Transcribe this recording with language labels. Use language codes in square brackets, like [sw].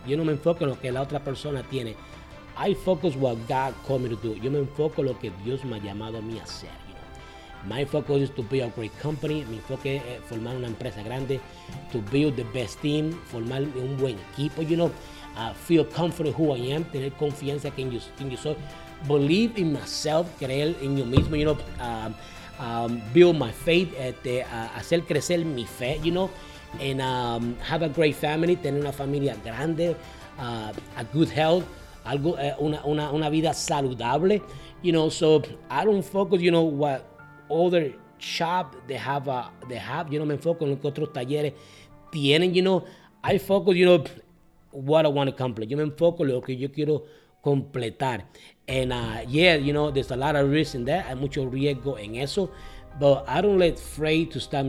[es] Yo no me enfoco en lo que la otra persona tiene. [en] I focus what God called me to do. [es] Yo me enfoco lo que Dios me ha llamado a mí a hacer. [en] You know? My focus is to build a great company. [es] Mi enfoque es formar una empresa grande. [en] To build the best team. [es] Formar un buen equipo, [en] you know. Feel confident who I am. [es] Tener confianza en quien yo soy. [en] Believe in myself. [es] Creer en yo mismo, [en] you know. Build my faith. [es] Hacer crecer mi fe, [en] you know. And have a great family. [es] Tener una familia grande. [en] A good health. [es] Algo, una vida saludable, [en] you know. So I don't focus, you know, what other shop they have, you know. [es] Me enfoco en lo que otros talleres tienen, [en] you know. I focus, you know, what I want to complete. [es] Yo me enfoco en lo que yo quiero completar. [en] And you know, there's a lot of risk in that. [es] Hay mucho riesgo en eso, [en] but I don't let afraid to stop.